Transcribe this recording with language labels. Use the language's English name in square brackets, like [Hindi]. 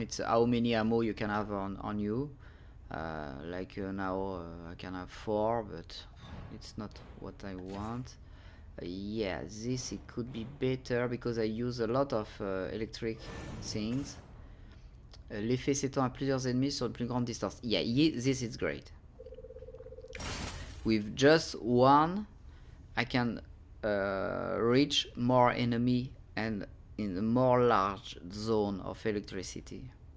[English] It's how many ammo you can have on you. Like now I can have 4, but it's not what I want. Yeah, this it could be better because I use a lot of electric things. [French] L'effet s'étend à plusieurs ennemis sur une plus grande distance. [English] Yeah, this is great. With just one, I can reach more enemy and in a more large zone of electricity.